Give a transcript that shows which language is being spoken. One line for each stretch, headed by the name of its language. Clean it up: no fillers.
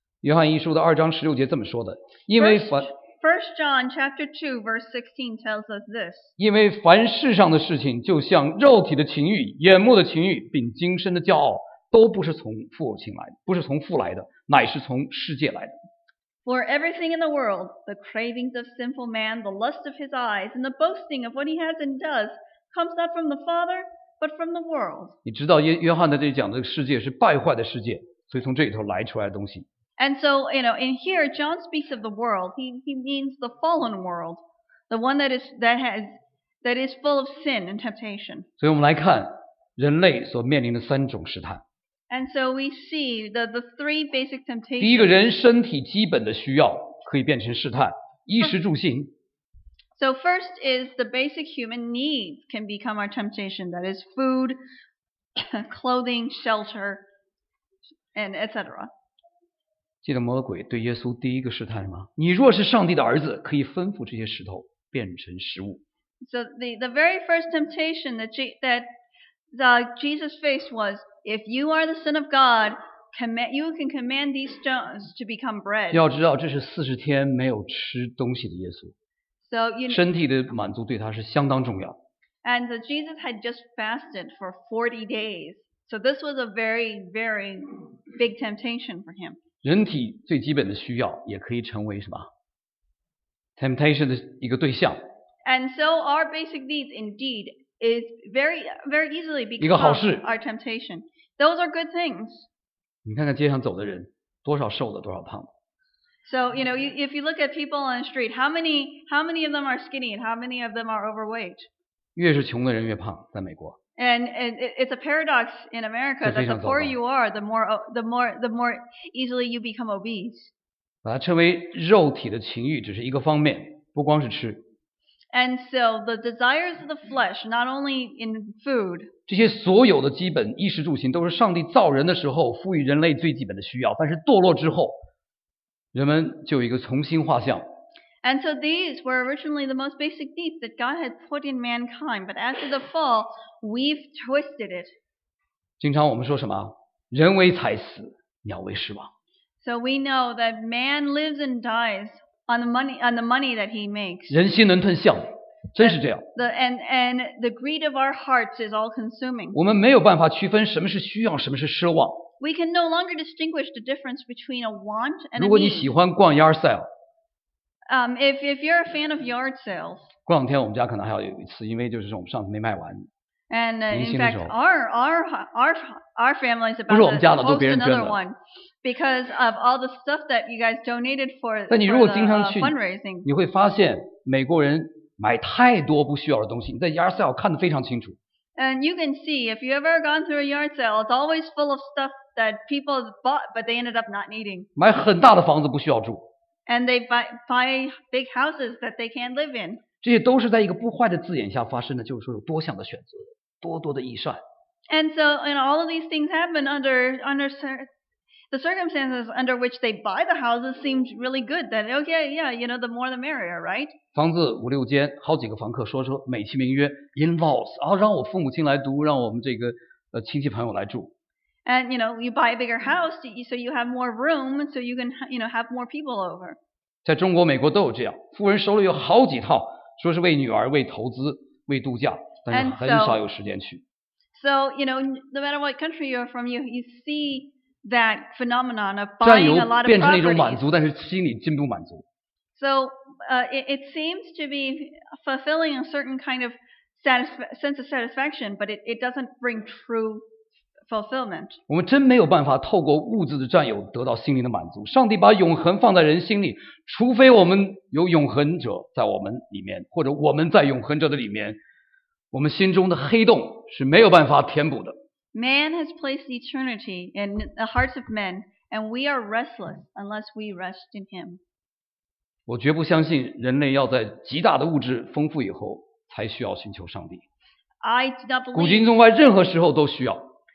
Chinese: 约翰一书的二章十六节这么说的，因为凡
English: First John chapter 2 verse 16 tells us this.
Chinese: 因为凡世上的事情，就像肉体的情欲、眼目的情欲，并今生的骄傲，都不是从父亲来，不是从父来的，乃是从世界来的。
English: For everything in the world, the cravings of sinful man, the lust of his eyes, and the boasting of what he has and does, comes not from the Father, but from the world.
Chinese: 你知道约翰在这里讲的世界是败坏的世界，所以从这里头来出来的东西。
English: And so, you know, in here, John speaks of the world. He means the fallen world, the one that is full of sin and temptation.
Chinese: 所以我们来看人类所面临的三种试探。
English: And so we see the three basic temptations.
Chinese: 第一个，人身体基本的需要可以变成试探，衣食住行。
English: So first is the basic human needs can become our temptation. That is food, clothing, shelter, and etc.
Chinese: 记得魔鬼对耶稣第一个试探吗？你若是上帝的儿子，可以吩咐这些石头变成食物。
English: So the very first temptation that Jesus faced was. If you are the Son of God, you can command these stones to become bread.
Chinese: 要知道这是四十天没有吃东西的耶稣。
English: So, you know,
Chinese: 身体的满足对他是相当重要。
English: And Jesus had just fasted for 40 days. So this was a very, very big temptation for him.
Chinese: 人体最基本的需要也可以成为什么？ Temptation 的一个对象。
English: And so our basic needs indeed,is very, very easily become our temptation. Those are good things.
Chinese: 你看看街上走的人，多少瘦的，多少胖的。
English: So, you know, if you look at people on the street, how many of them are skinny and how many of them are overweight?
Chinese: 越是穷的人越胖，在美国。
English: And it's a paradox in America that the poorer you are, the more easily you become obese.
Chinese: 把它称为肉体的情欲只是一个方面，不光是吃。
English: And so the desires of the flesh, not only in food.
Chinese: 这些所有的基本衣食住行都是上帝造人的时候赋予人类最基本的需要。但是堕落之后，人们就有一个重新画像。
English: And so these were originally the most basic needs that God had put in mankind. But after the fall, we've twisted it.
Chinese: 经常我们说什么？人为财死，鸟为食亡。
English: So we know that man lives and dies. On the money that he makes.
Chinese: 人心能吞象，真是这样。
English: And the greed of our hearts is all consuming.
Chinese: 我们没有办法区分什么是需要，什么是奢望。
English: We can no longer distinguish the difference between a want and a need.
Chinese: 如果你喜欢逛 yard sale,
English: if you're a fan of yard sales.
Chinese: 过两天我们家可能还有一次，因为就是我们上次没卖完。
English: And in fact, our family is about to host another one because of all the stuff that you guys donated for.
Chinese: 但你如果经常去
English: fundraising,
Chinese: 你会发现美国人买太多不需要的东西，你在 yard sale 看得非常清楚。
English: And you can see if you ever gone through a yard sale, it's always full of stuff that people bought but they ended up not needing.
Chinese: 买很大的房子不需要住。
English: And they buy big houses that they can't live in.
Chinese: 这些都是在一个不坏的字眼下发生的，就是说有多项的选择，多多的预算。
English: And so, and all of these things happen under the circumstances under which they buy the houses seems really good. That okay, yeah, you know, the more the merrier, right?
Chinese: 房子五六间，好几个房客说美其名曰 in-laws， 然后让我父母亲来读，让我们这个亲戚朋友来住。
English: And you know, you buy a bigger house, so you have more room, so you can you know have more people over.
Chinese: 在中国、美国都有这样，富人手里有好几套。说是为女儿、为投资、为度假，但是很少有时间去。
English: So, you know, no matter what country you're from, you see that phenomenon of buying a lot of property.
Chinese: 变成了一种满足，但是心里并不满足。
English: So, it seems to be fulfilling a certain kind of sense of satisfaction, but it doesn't bring true fulfillment.
Chinese: 我们真没有办法透过物质的占有得到心灵的满足。上帝把永恒放在人心里，除非我们有永恒者在我们里面，或者我们在永恒者的里面，我们心中的黑洞是没有办法填补的。
English: Man has placed eternity in the hearts of men, and we are restless unless we rest in him.
Chinese: 我绝不相信人类要在极大的物质丰富以后才需要寻求上帝。
English: I do not believe.
Chinese: 古今中外任何时候都需要。